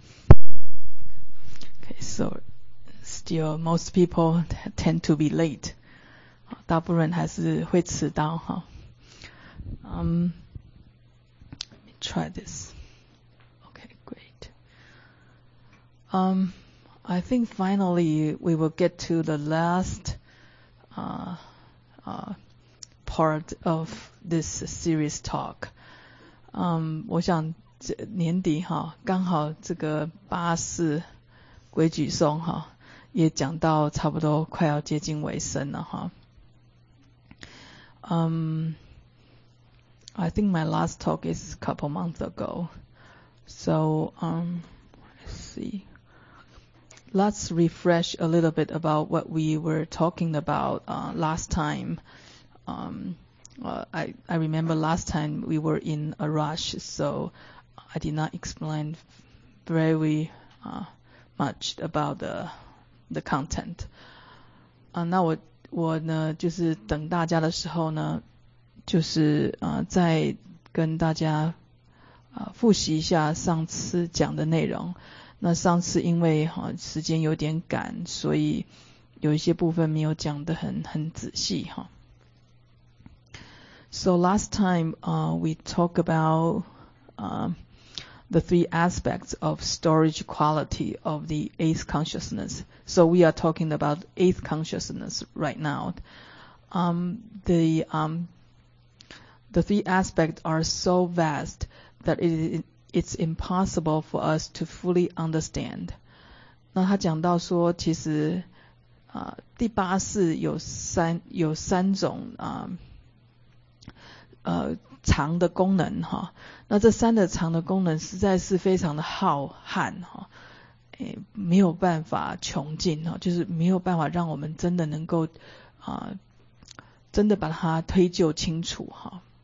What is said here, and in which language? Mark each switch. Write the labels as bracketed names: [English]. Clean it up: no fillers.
[English] Okay, so still most people tend to be late. [Chinese] 大部分人还是会迟到哈。 [English] Let me try this. Okay, great. I think finally we will get to the last part of this series talk. [Chinese] 我想这年底哈，刚好这个八四规矩松哈，也讲到差不多快要接近尾声了哈。 [English] I think my last talk is a couple months ago. So, let's see. Let's refresh a little bit about what we were talking about last time. I remember last time we were in a rush, so I did not explain very much about the content. [Chinese] 那我呢就是等大家的时候呢就是再跟大家复习一下上次讲的内容。那上次因为时间有点赶，所以有一些部分没有讲得很仔细哈。 [English] So last time, we talked about, the three aspects of storage quality of the eighth consciousness. So we are talking about eighth consciousness right now. The three aspects are so vast that it's impossible for us to fully understand. [Chinese] 那他讲到说其实第八世有三种藏的功能哈，那这三的藏的功能实在是非常的浩瀚哈，没有办法穷尽哈，就是没有办法让我们真的能够真的把它推究清楚哈。